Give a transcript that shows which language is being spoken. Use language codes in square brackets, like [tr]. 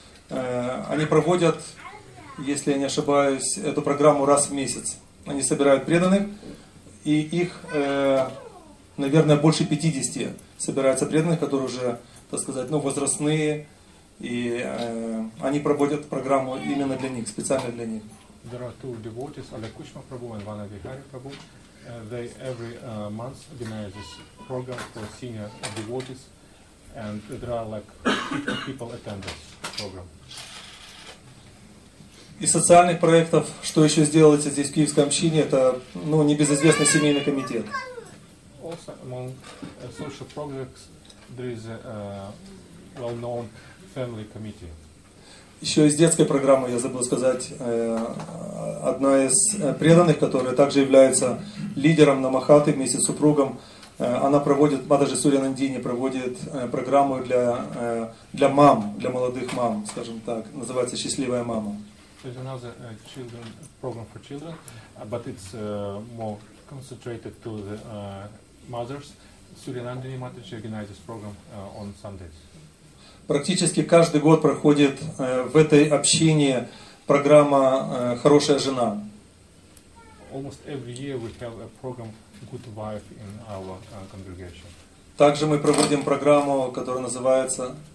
[ru] Они проводят, если я не ошибаюсь, эту программу раз в месяц. Они собирают преданных. И их, наверное, больше 50 собирается преданных, которые уже, так сказать, ну, возрастные, и они проводят программу именно для них, специально для них. [en] There are two devotees, Alek Kuchma Prabhu and Vanna Vihari Prabhu. They every month organize this program for senior devotees, and there are like 50 people attend this program. [ru] Из социальных проектов, что еще сделается здесь в Киевской общине, это, ну, небезызвестный семейный комитет. [en] Also among social projects, there is a well-known family committee. [ru] Еще из детской программы, я забыл сказать, одна из преданных, которая также является лидером на Махаты вместе с супругом, она проводит, Матаджи Сурья Нандини проводит программу для мам, для молодых мам, скажем так, называется «Счастливая мама». [en] There's another children program for children, but it's more concentrated to the mothers. Surya Nandini Mataji organizes program on Sundays. [ru] Практически каждый год проходит в этой общине программа «Хорошая жена». [en] Almost every year we have a program «Good wife» in our congregation. [ru] Также мы проводим программу, которая называется